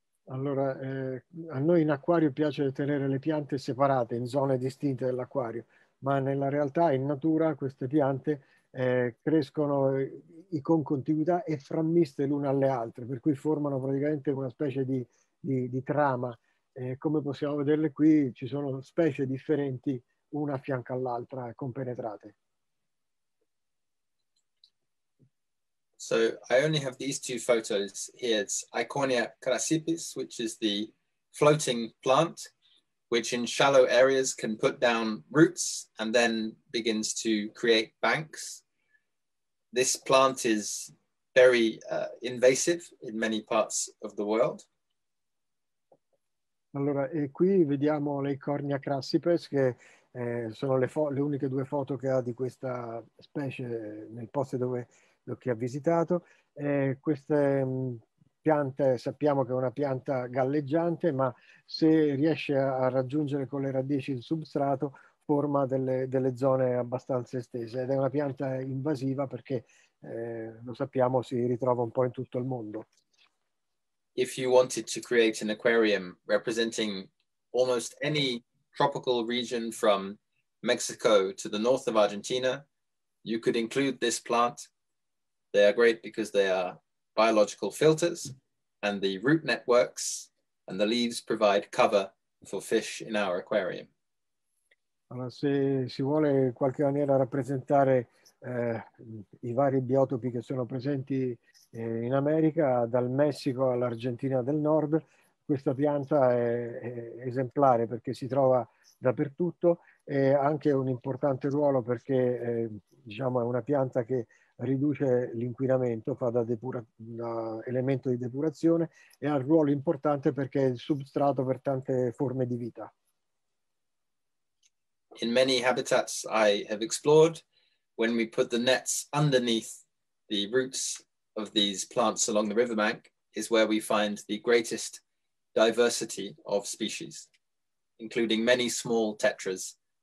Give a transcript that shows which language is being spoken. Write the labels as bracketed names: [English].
[Italian] Allora, a noi in acquario piace tenere le piante separate, in zone distinte dell'acquario, ma nella realtà, in natura, queste piante crescono con contiguità e frammiste l'una alle altre, per cui formano praticamente una specie di trama. Come possiamo vederle qui, ci sono specie differenti una a fianco all'altra, compenetrate. [English] So I only have these two photos here. It's Iconia crassipis, which is the floating plant, which in shallow areas can put down roots and then begins to create banks. This plant is very invasive in many parts of the world. [Italian] Allora, e qui vediamo le Iconia crassipis, che sono le uniche due foto che ha di questa specie nel posto dove che ha visitato. Queste piante, sappiamo che è una pianta galleggiante, ma se riesce a raggiungere con le radici il substrato, forma delle zone abbastanza estese. Ed è una pianta invasiva perché, lo sappiamo, si ritrova un po' in tutto il mondo. [English] If you wanted to create an aquarium representing almost any tropical region from Mexico to the north of Argentina, you could include this plant. They are great because they are biological filters, and the root networks and the leaves provide cover for fish in our aquarium. [Italian] Allora, se si vuole in qualche maniera rappresentare i vari biotopi che sono presenti in America, dal Messico all'Argentina del Nord, questa pianta è esemplare perché si trova dappertutto e ha anche un importante ruolo perché diciamo, è una pianta che riduce l'inquinamento, fa da elemento di depurazione e ha un ruolo importante perché è il substrato per tante forme di vita. [English] In many habitats I have explored, when we put the nets underneath the roots of these plants along the riverbank, is where we find the greatest diversity of species, including many small tetras.